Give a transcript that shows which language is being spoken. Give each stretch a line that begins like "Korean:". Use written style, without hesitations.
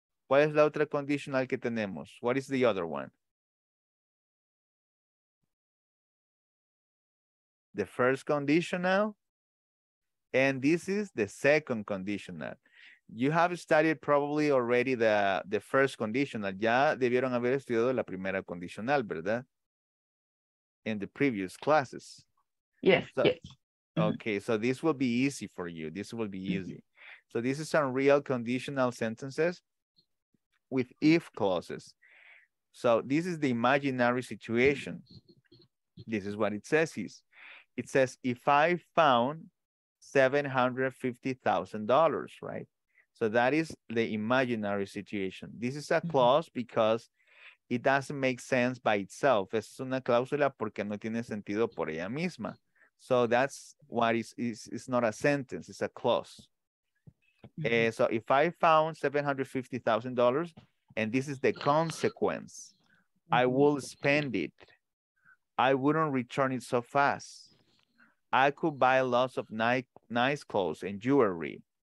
Spanish: ¿Cuál es la otra condicional que tenemos? What is the other one?
English: The first conditional. And this is the second conditional. You have studied probably already the first conditional.
Spanish: Ya debieron haber estudiado la primera condicional, ¿verdad?
English: In the previous classes. Yes, so, yes. Okay, so this will be easy for you. This will be easy. So this is some real conditional sentences with if clauses. So this is the imaginary situation. This is what it says. It says, if I found $750,000, right? So that is the imaginary situation. This is a clause because it doesn't make sense by itself.
Spanish: Es una cláusula porque no tiene sentido por ella misma.
English: So that's what is not a sentence, it's a clause. So if I found $750,000 and this is the consequence, I will spend it. I wouldn't return it so fast. I could buy lots of nice clothes and jewelry.